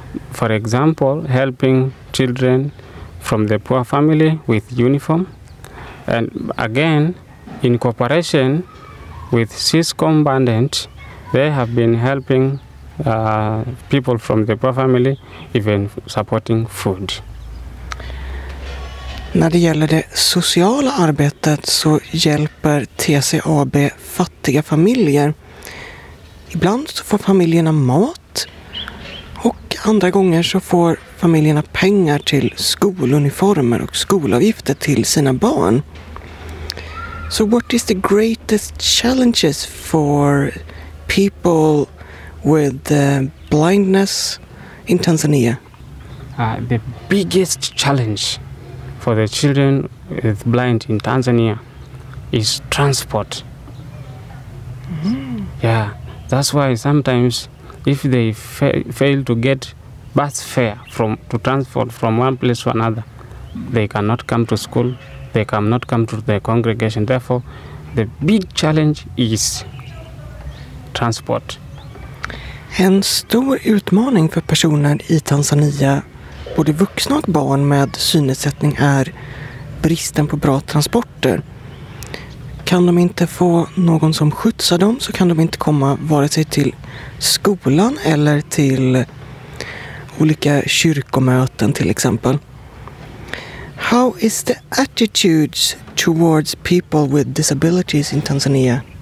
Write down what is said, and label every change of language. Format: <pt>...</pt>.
<en>For example, helping children from the poor family with uniform. And again, in cooperation with syskonbandet, they have been helping people from the poor family, even supporting food.</en> <sv>När det gäller det sociala arbetet så hjälper TCAB fattiga familjer. Ibland så får familjerna mat, och andra gånger så får familjerna pengar till skoluniformer och skolavgifter till sina barn.</sv> <en>So what is the greatest challenges for people with blindness in Tanzania? The biggest challenge for the children with blind in Tanzania is transport. Mm-hmm. Yeah, that's why sometimes if they fail to get bus fare from to transport from one place to another, they cannot come to school, they cannot come to the congregation. Therefore, the big challenge is transport.</en> <sv>En stor utmaning för personer i Tanzania, både vuxna och barn med synnedsättning, är bristen på bra transporter. Kan de inte få någon som skjutsar dem, så kan de inte komma vare sig till skolan eller till olika kyrkomöten till exempel.</sv> <en>How is the attitudes towards people with disabilities in Tanzania?</en>